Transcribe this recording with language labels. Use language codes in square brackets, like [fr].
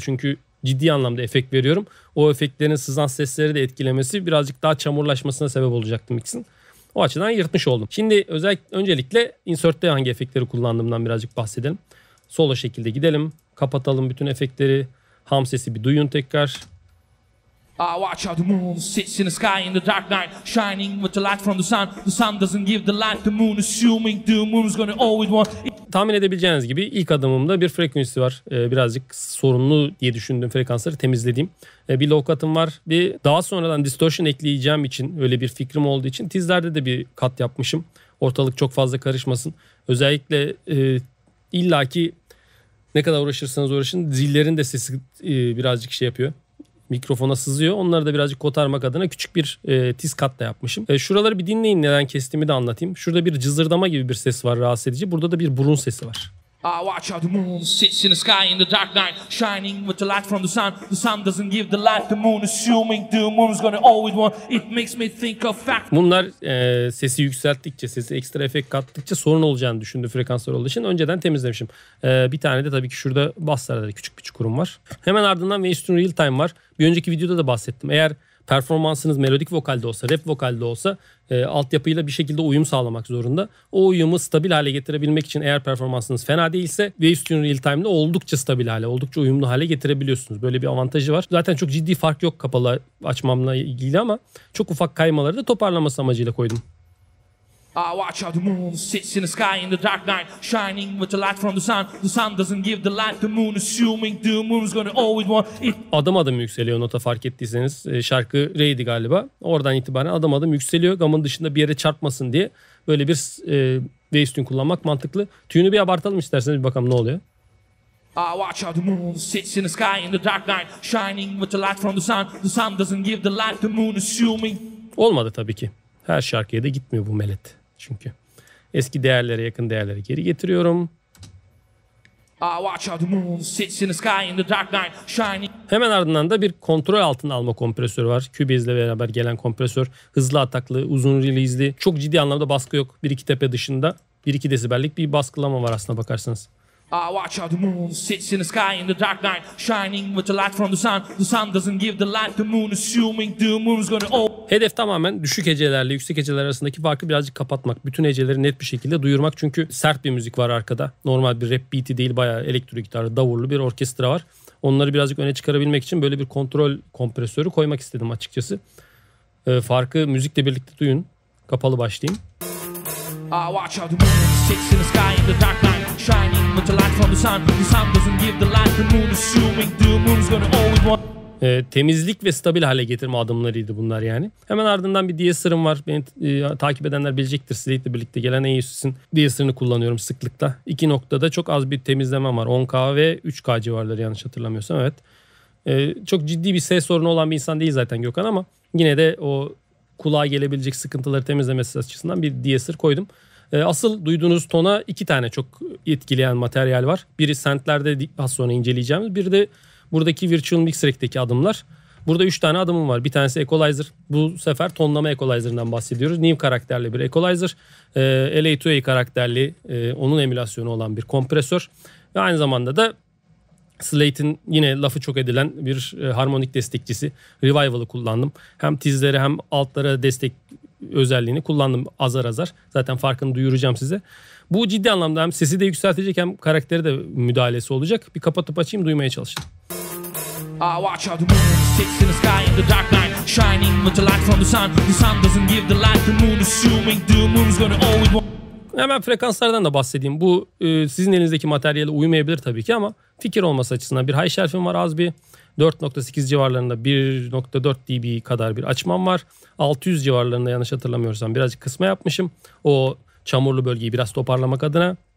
[tr] Çünkü ciddi anlamda efekt veriyorum. O efektlerin sızan sesleri de etkilemesi birazcık daha çamurlaşmasına sebep olacaktı mix'in. O açıdan yırtmış oldum. Şimdi öncelikle insert'te hangi efektleri kullandığımdan birazcık bahsedelim. Solo şekilde gidelim. Kapatalım bütün efektleri. Ham sesi bir duyun tekrar. [en] I watch how the moon sits in the sky in the dark night, shining with the light from the sun. The sun doesn't give the light, the moon assuming the moon's gonna always want. [tr] Tahmin edebileceğiniz gibi ilk adımımda bir frekansı var. Birazcık sorunlu diye düşündüğüm frekansları temizlediğim. Bir low cut'ım var. Bir daha sonradan distortion ekleyeceğim için, öyle bir fikrim olduğu için tizlerde de bir cut yapmışım. Ortalık çok fazla karışmasın. Özellikle illaki ne kadar uğraşırsanız uğraşın zillerin de sesi birazcık şey yapıyor. Mikrofona sızıyor. Onları da birazcık kotarmak adına küçük bir tiz kat da yapmışım. Şuraları bir dinleyin, neden kestiğimi de anlatayım. Şurada bir cızırdama gibi bir ses var, rahatsız edici. Burada da bir burun sesi var. [en] I watch how the moon sits in the sky in the dark night, shining with the light from the sun. The sun doesn't give the light, the moon assuming the moon's gonna always want. It makes me think of fact. [tr] Bunlar sesi yükselttikçe, sesi ekstra efekt kattıkça sorun olacağını düşündüğü frekanslar olduğu için önceden temizlemişim. Bir tane de tabii ki şurada basslarda da küçük bir çukurum var. Hemen ardından Weinstein Real Time var. Bir önceki videoda da bahsettim. Eğer performansınız melodik vokalde olsa, rap vokalde olsa altyapıyla bir şekilde uyum sağlamak zorunda. O uyumu stabil hale getirebilmek için eğer performansınız fena değilse Wavestream Real Time'de oldukça stabil hale, oldukça uyumlu hale getirebiliyorsunuz. Böyle bir avantajı var. Zaten çok ciddi fark yok kapalı açmamla ilgili ama çok ufak kaymaları da toparlaması amacıyla koydum. [en] I watch how the moon sits in the sky in the dark night, shining with the light from the sun. The sun doesn't give the light, the moon assuming the moon's gonna always want it. [tr] Adım adım yükseliyor nota, fark ettiyseniz. Şarkı Ray'di galiba. Oradan itibaren adım adım yükseliyor. Gamın dışında bir yere çarpmasın diye böyle bir bass tune kullanmak mantıklı. Tune'ü bir abartalım isterseniz, bir bakalım ne oluyor. [en] I watch how the moon sits in the sky in the dark night, shining with the light from the sun. The sun doesn't give the light, the moon assuming. [tr] Olmadı tabii ki. Her şarkıya da gitmiyor bu melet çünkü. Eski değerlere, yakın değerlere geri getiriyorum. [en] I watch how the moon sits in the sky in the dark night, shining. [tr] Hemen ardından da bir kontrol altına alma kompresörü var. Cubase'le beraber gelen kompresör. Hızlı ataklı, uzun release'li. Çok ciddi anlamda baskı yok. 1-2 tepe dışında 1-2 desibellik bir baskılama var aslına bakarsanız. [en] I watch how the moon sits in the sky in the dark night, shining with the light from the sun. The sun doesn't give the light, the moon assuming the moon's gonna open. [tr] Hedef tamamen düşük hecelerle yüksek heceler arasındaki farkı birazcık kapatmak. Bütün heceleri net bir şekilde duyurmak. Çünkü sert bir müzik var arkada. Normal bir rap beat'i değil, bayağı elektro gitarlı, davullu bir orkestra var. Onları birazcık öne çıkarabilmek için böyle bir kontrol kompresörü koymak istedim açıkçası. Farkı müzikle birlikte duyun. Kapalı başlayayım. [en] I watch how the moon sits in the sky in the dark night, shining with the light from the sun. The sun doesn't give the light, the moon assuming the moon's gonna always want. [tr] Temizlik ve stabil hale getirme adımlarıydı bunlar yani. Hemen ardından bir de-esser'ım var. Beni takip edenler bilecektir. Slate'le birlikte gelen Aeosis'in de-esser'ını kullanıyorum sıklıkla. İki noktada çok az bir temizlemem var. 10K ve 3K civarları yanlış hatırlamıyorsam, evet. Çok ciddi bir ses sorunu olan bir insan değil zaten Gökhan ama yine de o kulağa gelebilecek sıkıntıları temizlemesi açısından bir de-esser koydum. Asıl duyduğunuz tona iki tane çok etkileyen materyal var. Biri Sentler'de az sonra inceleyeceğimiz. Biri de buradaki Virtual Mix Rack'teki adımlar. Burada üç tane adımım var. Bir tanesi Equalizer. Bu sefer tonlama Equalizer'ından bahsediyoruz. New karakterli bir Equalizer. LA-2A karakterli, onun emülasyonu olan bir kompresör. Ve aynı zamanda da Slate'in yine lafı çok edilen bir harmonik destekçisi. Revival'ı kullandım. Hem tizlere hem altlara destek özelliğini kullandım azar azar. Zaten farkını duyuracağım size. Bu ciddi anlamda hem sesi de yükseltecek hem karakteri de müdahalesi olacak. Bir kapatıp açayım, duymaya çalışın. [en] I watch how the moon sits in the sky in the dark night, shining with the light from the sun. The sun doesn't give the light, the moon assuming the moon's gonna always want. [tr] Hemen frekanslardan da bahsedeyim. Bu sizin elinizdeki materyale uymayabilir tabii ki ama fikir olması açısından bir high shelf'im var. Az bir 4.8 civarlarında 1.4 dB kadar bir açmam var. 600 civarlarında yanlış hatırlamıyorsam birazcık kısma yapmışım. O çamurlu bölgeyi biraz toparlamak adına.